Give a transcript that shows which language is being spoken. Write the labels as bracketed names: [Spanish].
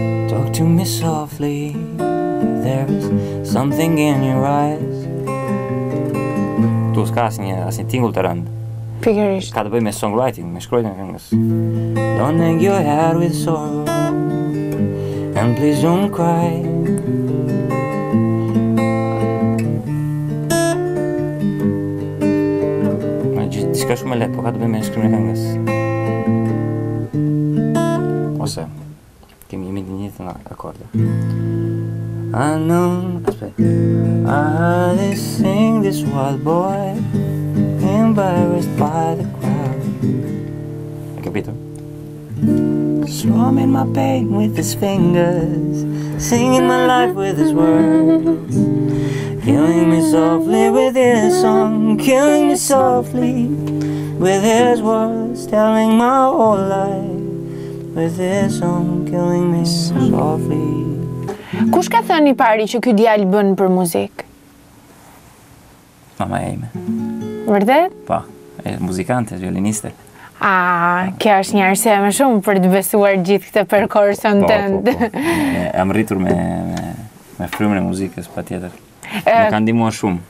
[English] Talk to me softly, there is something in your eyes. [Albanian] Tu s'ka asnjë tingull të rënd. Pikërisht. Ka të bëj me songwriting, me shkruajtjen e këngës. [English] Don't hang your head with sorrow, and please don't cry. [Albanian] Ma diçka shumë lehtë, po ka të bëj me shkrimin e këngës. Ose kemi jemi të njëjtë në akorde. [English] I know, I hardly sing this wild boy, embarrassed by the crowd. [Italian] A capito? [English] Strumming my pain with his fingers, singing my life with his words, killing me softly with his song, killing me softly with his words, telling my whole life with his song, killing me softly. [Albanian] Kush ka thënë i pari që ky djalë bën për muzikë? Mama ime. Vërtet? Po, është muzikante, violiniste. Ah, kjo është një arsye më shumë për të besuar gjithë këtë përkorsën tënd. Jam rritur me frymën e muzikës patjetër. Më ka ndihmuar shumë.